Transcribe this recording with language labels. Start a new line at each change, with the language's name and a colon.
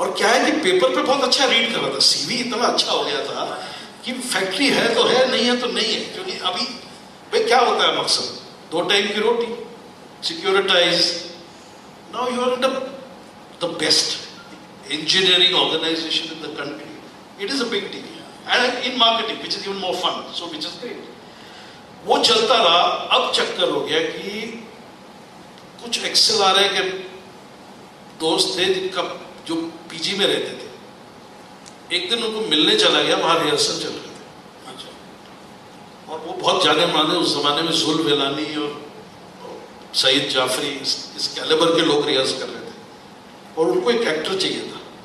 Hindi: और क्या है कि पेपर पे बहुत अच्छा रीड कर रहा था, सीवी इतना अच्छा हो गया था कि फैक्ट्री है तो है, नहीं है तो नहीं है। क्योंकि अभी भाई क्या होता है, मकसद दो टाइम की रोटी, securitise,
English: Now you are in the best engineering organisation in the country, it is a big deal. and in marketing, which is even more fun, so which is great.
Hindi: वो चलता रहा, अब चक्कर हो गया कि कुछ एक्सेल आ रहे हैं कि दोस्त थे जिनका जो पीजी में रहते थे, एक दिन उनको मिलने चला गया, वहां रिहर्सल चल रहे थे। अच्छा। और वो बहुत जाने माने उस जमाने में जुल वेलानी और सईद जाफरी, इस कैलेबर के लोग रिहर्स कर रहे थे और उनको एक एक्टर चाहिए था।